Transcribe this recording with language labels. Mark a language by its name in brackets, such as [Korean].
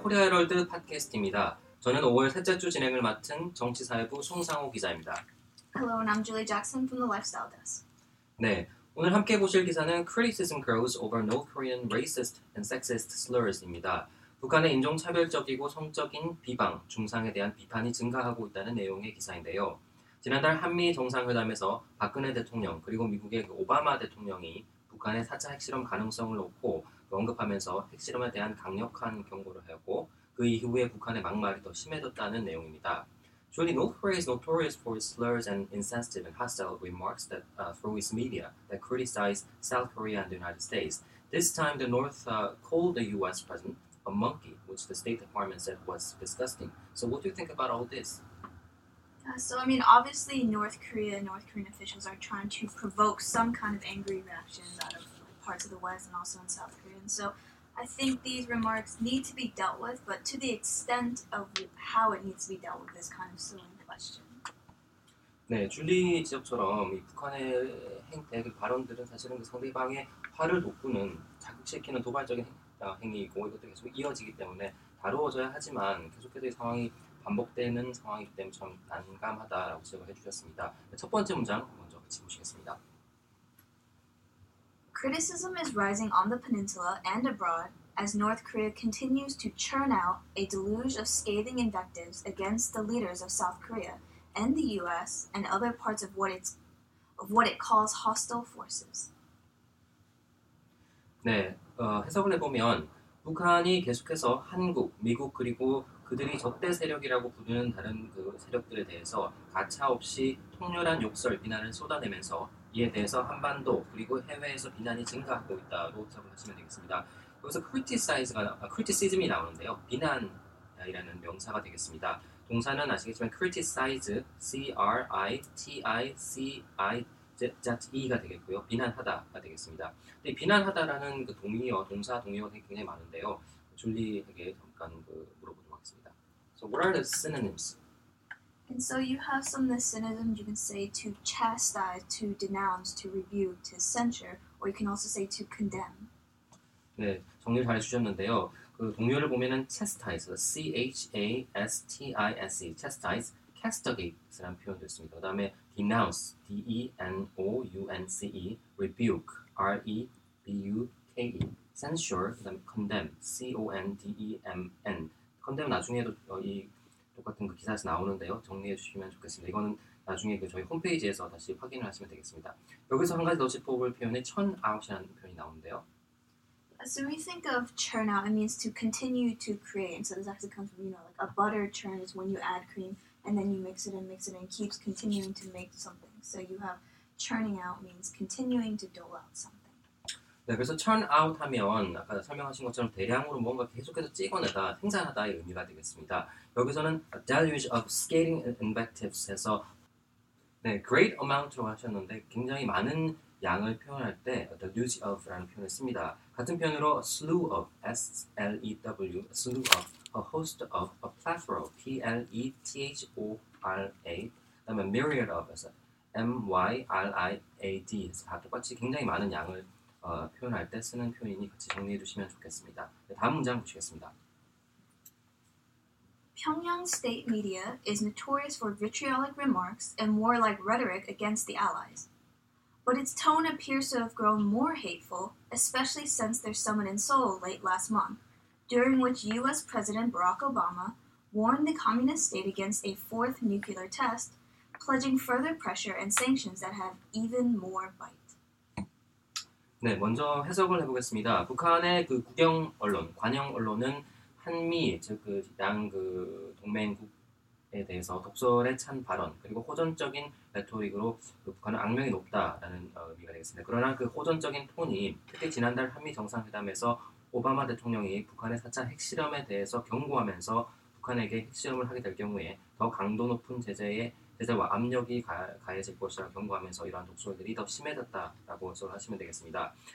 [Korean] 코리아 헤럴드 팟캐스트입니다. 저는 5월 셋째 주 진행을 맡은 정치사회부 송상호 기자입니다. [English] Hello, and I'm Julie Jackson from the Lifestyle Desk. [Korean] 네, 오늘 함께 보실 기사는 [English] Criticism Grows Over North Korean Racist and Sexist Slurs [Korean] 입니다. 북한의 인종차별적이고 성적인 비방, 중상에 대한 비판이 증가하고 있다는 내용의 기사인데요. 지난달 한미 정상회담에서 박근혜 대통령 그리고 미국의 오바마 대통령이 북한의 4차 핵실험 가능성을 놓고 언급하면서 핵실험에 대한 강력한 경고를 하였고 그 이후에 북한의 막말이 더 심해졌다는 내용입니다. [English] Surely North Korea is notorious for its slurs and insensitive and hostile remarks that through its media that criticize South Korea and the United States. This time the North called the U.S. president a monkey, which the State Department said was disgusting. So what do you think about all this? Obviously North Korea and North Korean officials are trying to provoke some kind of angry reaction out of parts of the West and also in South Korea. And so I think these remarks need to be dealt with, but to the extent of how it needs to be dealt with is kind of still in question. [Korean] 네, 줄리 지적처럼 이 북한의 행태, 그 발언들은 사실은 그 상대방의 화를 돋구는, 자극시키는 도발적인 행위이고 이것도 계속 이어지기 때문에 다루어져야 하지만 계속해서 이 상황이 반복되는 상황이기 때문에 좀 난감하다라고 지적을 해주셨습니다. 첫 번째 문장 먼저 같이 보시겠습니다. [English] Criticism is rising on the peninsula and abroad as North Korea continues to churn out a deluge of scathing invectives against the leaders of South Korea and the U.S. and other parts of what it calls hostile forces. [Korean] 네, 해석을 해보면 북한이 계속해서 한국, 미국 그리고 그들이 적대 세력이라고 부르는 다른 그 세력들에 대해서 가차없이 통렬한 욕설, 비난을 쏟아내면서 이에 대해서 한반도 그리고 해외에서 비난이 증가하고 있다고 해석을 하시면 되겠습니다. 여기서 criticism이 나오는데요. 비난이라는 명사가 되겠습니다. 동사는 아시겠지만 criticize, C-R-I-T-I-C-I-Z-E가 되겠고요. 비난하다가 되겠습니다. 근데 비난하다라는 그 동의어, 동사 동의어가 굉장히 많은데요. 줄리에게 잠깐 그 물어보도록 하겠습니다. [English] So what are the synonyms? And so you have some of the synonyms you can say to chastise, to denounce, to rebuke, to censure, or you can also say to condemn. [Korean] 네, 정리 잘 해주셨는데요. 그 동요를 보면은 chastise, C-H-A-S-T-I-S-E, chastise, castigate라는 표현도 있습니다. 그 다음에 denounce, D-E-N-O-U-N-C-E, rebuke, R-E-B-U-K-E, censure, 그 다음에 condemn, C-O-N-D-E-M-N. condemn 나중에도 이 똑같은 그 기사에서 나오는데요. 정리해 주시면 좋겠습니다. 이거는 나중에 그 저희 홈페이지에서 다시 확인을 하시면 되겠습니다. 여기서 한 가지 더 짚어볼 표현에 churn out이라는 표현이 나오는데요. [English] So when you think of churn out, it means to continue to create. And so this actually comes from, you know, like a butter churn is when you add cream and then you mix it and keeps continuing to make something. So you have churning out means continuing to dole out something. [Korean] 네, 그래서 churn out 하면 아까 설명하신 것처럼 대량으로 뭔가 계속해서 찍어내다, 생산하다의 의미가 되겠습니다. 여기서는 [English] a deluge of scathing invectives [Korean] 해서 네, [English] great amount [Korean] 로 하셨는데 굉장히 많은 양을 표현할 때 a deluge of라는 표현을 씁니다. 같은 표현으로 a slew of, S-L-E-W, a slew of, a host of, a plethora of, P-L-E-T-H-O-R-A, 그 다음에 myriad of, M-Y-R-I-A-D, 다 똑같이 굉장히 많은 양을 표현할 때 쓰는 표현이니 같이 정리해 주시면 좋겠습니다. 네, 다음 문장 보시겠습니다. [English] Pyongyang state media is notorious for vitriolic remarks and warlike rhetoric against the allies. But its tone appears to have grown more hateful, especially since their summit in Seoul late last month, during which U.S. President Barack Obama warned the communist state against a fourth nuclear test, pledging further pressure and sanctions that have even more bite. [Korean] 네, 먼저 해석을 해보겠습니다. 북한의 그 국영 언론, 관영 언론은 한미, 즉 그 양 그 동맹국 에 대해서 독설에 찬 발언 그리고 호전적인 레토릭으로 북한은 악명이 높다라는 의미가 되겠습니다. 그러나 그 호전적인 톤이 특히 지난달 한미 정상회담에서 오바마 대통령이 북한의 4차 핵실험에 대해서 경고하면서 북한에게 핵실험을 하게 될 경우에 더 강도 높은 제재와 압력이 가해질 것이라고 경고하면서 이러한 독설들이 더 심해졌다라고 해석을 하시면 되겠습니다.